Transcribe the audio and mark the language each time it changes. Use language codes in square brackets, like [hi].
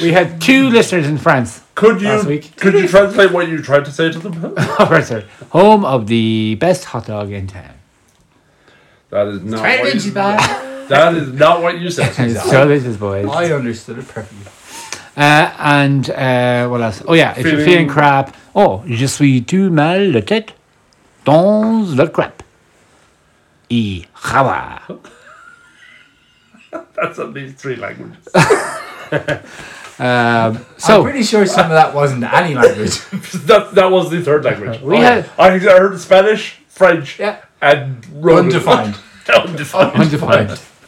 [en] We had two listeners in France. Could you last week. Could you translate what you tried to say to them? Right, sir. Home of the best hot dog in town. That is not what you said. That is not what you said. So this is, boys. I understood it perfectly. What else? Oh, yeah. If you're feeling crap. [fr] Oh, je suis tout mal la tête dans le crap. Y chava. [en] That's at least three languages. I'm pretty sure some of that wasn't any language. that was the third language. I heard Spanish, French, and Roman. Undefined.